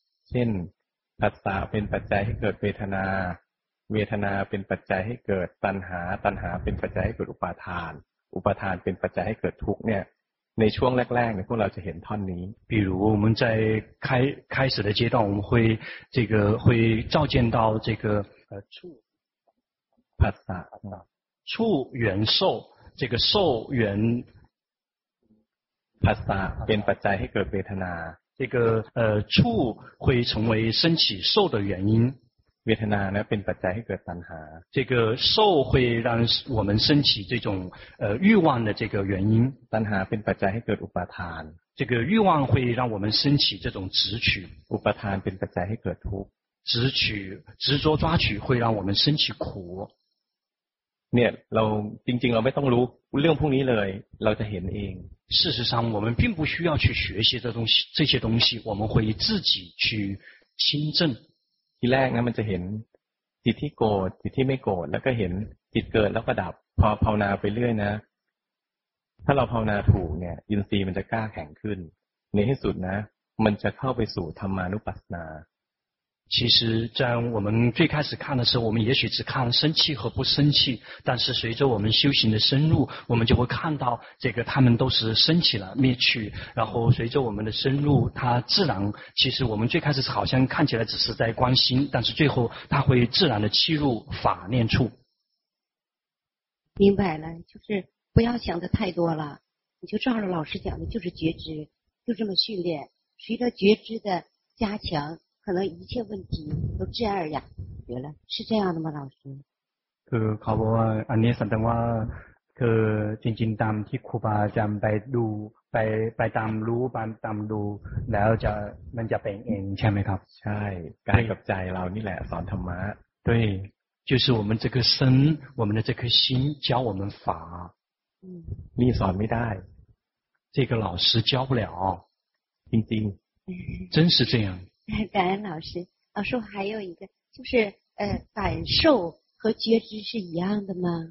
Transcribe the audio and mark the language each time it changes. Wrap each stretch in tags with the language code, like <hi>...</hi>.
<th>เช่นผัสสะเป็นปัจจัยให้เกิดเวทนาเวทนาเป็นปัจจัยให้เกิดตัณหาตัณหาเป็นปัจจัยให้เกิดอุปาทานอุปาทานเป็นปัจจัยให้เกิดทุกข์เนี่ยในช่วงแรกๆเนี่ยพวกเราจะเห็นท่อนนี้</th> <zh>比如我们在开始的阶段我们会这个会照见到这个</zh> <th>ผัสสะ</th> <zh>触缘受这个受缘</zh> <th>ผัสสะเป็นปัจจัยให้เกิดเวทนา</th> <zh>这个触会成为升起受的原因</zh> <th>เวทนานะเป็นปัจจัยให้เกิดตัณหา</th> <zh>这个受会让我们升起这种欲望的这个原因</zh> <th>ตัณหาเป็นปัจจัยให้เกิดอุปาทาน</th> <zh>这个欲望会让我们升起这种执取</zh> <th>อุปาทานเป็นปัจจัยให้เกิดทุกข์</th> <zh>执取执着抓取会让我们升起苦</zh> <th>เนี่ยเราจริงๆเราไม่ต้องรู้เรื่องพวกนี้เลยเราจะเห็นเอง</th> <zh>事实上我们并不需要去学习这东西这些东西我们会自己去亲证</zh> <th>ทีแรกนะมันจะเห็นจิตที่โกรธจิตที่ไม่โกรธแล้วก็เห็นจิตเกิดแล้วก็ดับพอภาวนาไปเรื่อยนะถ้าเราภาวนาถูกเนี่ยอินทรีย์มันจะกล้าแข็งขึ้นในที่สุดนะมันจะเข้าไปสู่ธรรมานุปัสสนา</th> <zh>其实在我们最开始看的时候我们也许只看生气和不生气但是随着我们修行的深入我们就会看到这个他们都是升起了灭去然后随着我们的深入它自然其实我们最开始好像看起来只是在关心但是最后它会自然的契入法念处明白了就是不要想的太多了你就照着老师讲的就是觉知就这么训练随着觉知的加强可能一切问题都自然而然解决了是这样的吗老师</zh> <th>คือเขาบอกว่าอันนี้สันตังว่าคือจริงๆตามที่ครูบาอาจารย์ไปดูไปตามรู้ไปตามดูแล้วจะมันจะเป็นเองใช่ไหมครับ ใช่กายกับใจเรานี่แหละสอนธรรมะ</th> <zh>对就是我们这颗身我们的这颗心教我们法</zh> <th>นี่สอนไม่ได้</th> <zh>这个老师教不了</zh> <th>จริง</th> <zh>ๆ真是这样感恩老师老师还有一个就是感受和觉知是一样的吗</zh>